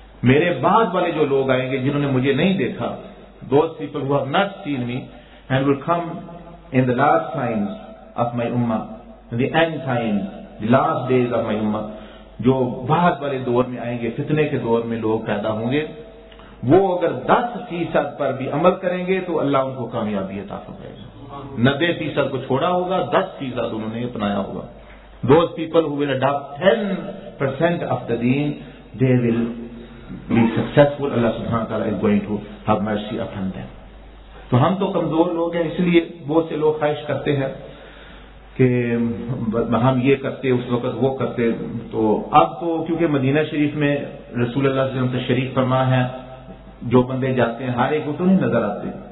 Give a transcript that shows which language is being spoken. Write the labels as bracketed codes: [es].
[ur] میرے بعد والے جو لوگ آئیں گے جنہوں نے مجھے نہیں دیکھا, [en] those people who have not seen me and will come in the last times of my ummah, [ur] the end times, the last days of my ummah, جو بعد والے دور میں آئیں گے, فتنے کے دور میں لوگ پیدا ہوں گے, وہ اگر 10% پر بھی عمل کریں گے تو اللہ ان کو کامیابی عطا فرمائے گا. 90% کو چھوڑا ہوگا, 10% انہوں نے اپنایا ہوگا. [en] Those people who will adopt 10% of the deen, they will be successful. Allah سبحانہ وتعالی is going to have mercy upon them. [ur] تو ہم تو کمزور لوگ ہیں, اس لیے بہت سے لوگ خواہش کرتے ہیں کہ ہم یہ کرتے اس وقت وہ کرتے. تو اب تو کیونکہ مدینہ شریف میں رسول اللہ صلی اللہ علیہ وسلم تشریف فرما ہے, جو بندے جاتے ہیں ہر ایک کو تو نہیں نظر آتے.